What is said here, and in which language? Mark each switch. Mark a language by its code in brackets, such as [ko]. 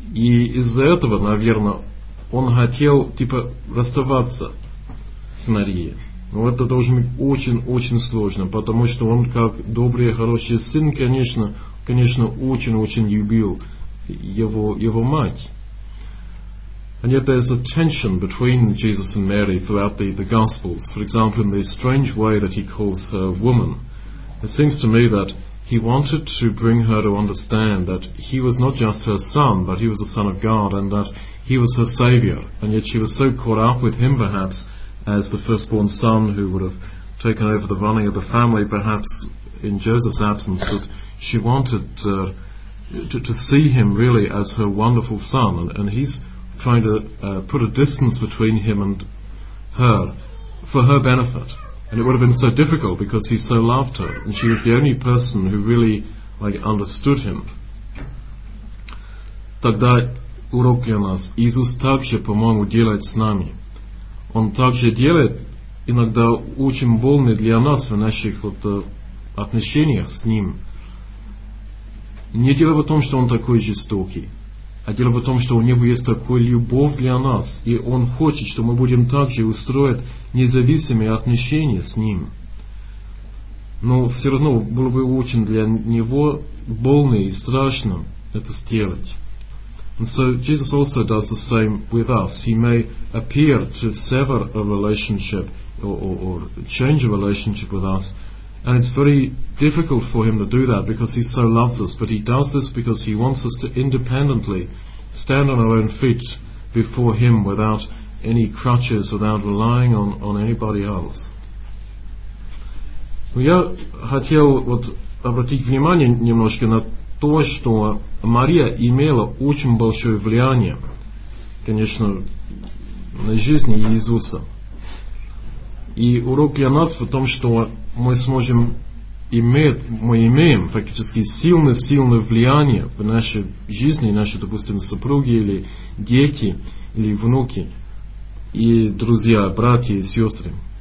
[ru] И из-за этого, наверное, он хотел типа расставаться с Марией. Но это должно быть очень-очень сложно, потому что он как добрый, хороший сын, конечно, очень-очень любил его мать. [en] And yet there's a tension between Jesus and Mary throughout the Gospels. For example, in the strange way that he calls her woman, it seems to me that he wanted to bring her to understand that he was not just her son, but he was the Son of God, and that he was her Savior. And yet she was so caught up with him, perhaps, as the firstborn son who would have taken over the running of the family, perhaps in Joseph's absence, that she wanted to see him really as her wonderful son. And he's trying to put a distance between him and her for her benefit, and it would have been so difficult because he so loved her and she was the only person who really like understood him. [ru] Тогда урок для нас. Иисус также, по-моему, делает с нами. Он также делает иногда очень больно для нас в наших вот отношениях с ним. Не дело в том, что он такой жестокий. А дело в том, что у него есть такая любовь для нас, и он хочет, что мы будем также устроить независимые отношения с ним. Но все равно было бы очень для него больно и страшно это сделать. [en] And so Jesus also does the same with us. He may appear to sever a relationship or change a relationship with us, and it's very difficult for him to do that because he so loves us, but he does this because he wants us to independently stand on our own feet before him without any crutches, without relying on anybody else. [ru] Я хотел вот обратить внимание немножко на то, что Мария имела очень большое влияние, конечно, на жизни Иисуса. И урок для нас в том, что мы сможем иметь, мы имеем фактически сильное влияние в нашей жизни, наши, допустим, супруги или дети, или внуки, и друзья, братья и сестры.